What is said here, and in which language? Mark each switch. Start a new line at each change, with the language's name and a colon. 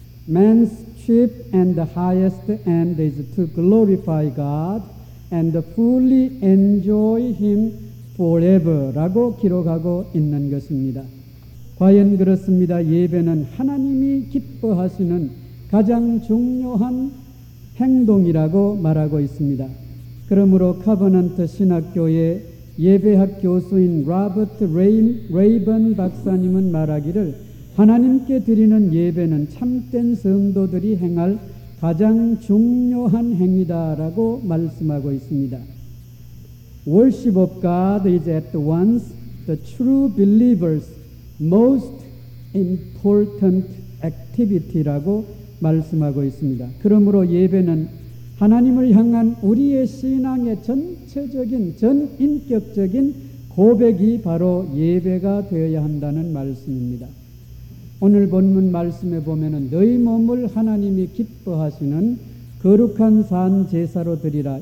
English: Man's chief and the highest end is to glorify God and fully enjoy Him forever
Korean: 라고 기록하고 있는 것입니다. 과연 그렇습니다. 예배는 하나님이 기뻐하시는 가장 중요한 행동이라고 말하고 있습니다. 그러므로 커버넌트 신학교의 예배학 교수인 로버트 레이번 박사님은 말하기를 하나님께 드리는 예배는 참된 성도들이 행할 가장 중요한 행위다라고 말씀하고 있습니다.
English: Worship of God is at once the true believer's most important activity
Korean: 라고 말씀하고 있습니다. 그러므로 예배는 하나님을 향한 우리의 신앙의 전체적인 전인격적인 고백이 바로 예배가 되어야 한다는 말씀입니다. 오늘 본문 말씀에 보면은 너희 몸을 하나님이 기뻐하시는 거룩한 산 제사로 드리라.